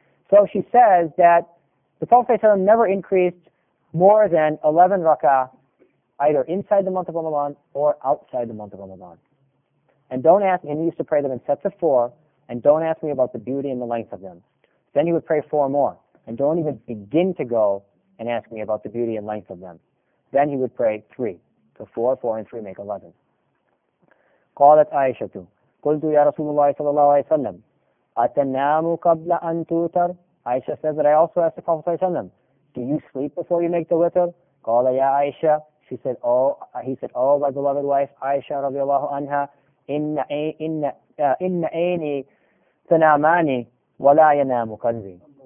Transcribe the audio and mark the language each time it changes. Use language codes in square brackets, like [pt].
[en] So she says that the Prophet never increased more than 11 rak'ah either inside the month of Ramadan or outside the month of Ramadan. And don't ask, and he used to pray them in sets of four, and don't ask me about the beauty and the length of them. Then he would pray four more, and don't even begin to go and ask me about the beauty and length of them. Then he would pray three. So four, and three make 11. [ar] قالت عائشة قلت يا رسول الله صلى الله عليه وسلم أتنام قبل أن توتر. [en] Aisha says that I also asked the Prophet [ar] صلى الله عليه وسلم, [en] do you sleep before you make the witr? [ar] قال يا عائشة. [en] He said, my beloved wife, Aisha radiallahu anha, [ar] inna aini tanamani wala yanamu kanzi.